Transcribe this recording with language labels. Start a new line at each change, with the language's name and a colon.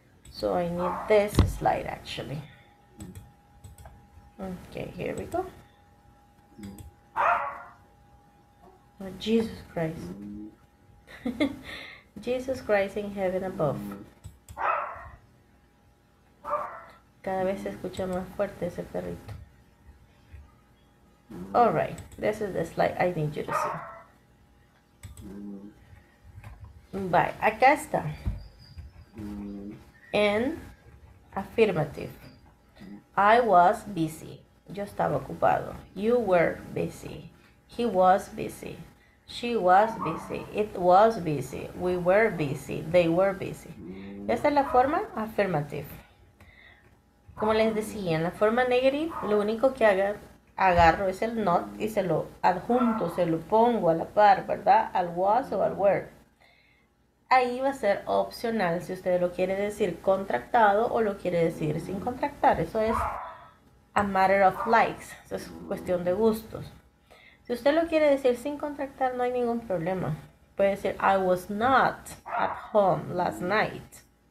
English: So I need this slide actually. Okay, here we go. Oh, Jesus Christ. Jesus Christ in heaven above.
Spanish: Cada vez se escucha más fuerte ese perrito.
English: Alright, this is the slide I need you to see.
Spanish: Bye. Acá está.
English: And affirmative. I was busy.
Spanish: Yo estaba ocupado.
English: You were busy. He was busy. She was busy. It was busy. We were busy. They were busy.
Spanish: Esta es la forma affirmative. Como les decía, en la forma negative, lo único que haga, agarro es el not y se lo adjunto, se lo pongo a la par, ¿verdad? Al was o al were. Ahí va a ser opcional si usted lo quiere decir contractado o lo quiere decir sin contractar. Eso es
English: a matter of likes.
Spanish: Eso es cuestión de gustos. Si usted lo quiere decir sin contractar, no hay ningún problema. Puede decir,
English: I was not at home last night.